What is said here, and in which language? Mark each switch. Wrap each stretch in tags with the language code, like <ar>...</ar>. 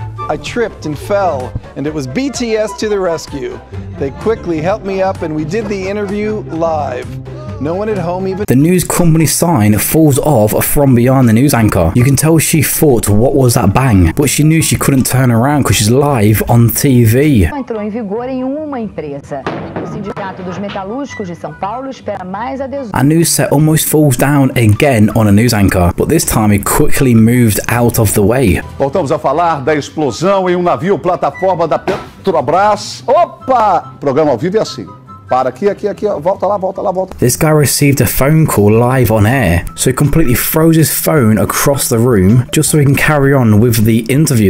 <en>I tripped and fell, and it was BTS to the rescue. They quickly helped me up, and we did the interview live. No one at home even. The news company sign falls off from behind the news anchor. You can tell she thought, what was that bang? But she knew she couldn't turn around because she's live on TV.</en> <pt>Entrou em vigor em uma empresa. O Sindicato dos Metalúrgicos de São Paulo espera mais adesão.</pt> <en>A news set almost falls down again on a news anchor, but this time it quickly moved out of the way.</en> <pt>Voltamos a falar da explosão em um navio plataforma da Petrobras. Opa! Programa ao vivo é assim. Para aqui, aqui, aqui, volta lá, volta lá, volta.</pt> <en>This guy received a phone call live on air, so he completely froze his phone across the room just so he can carry on with the interview.</en>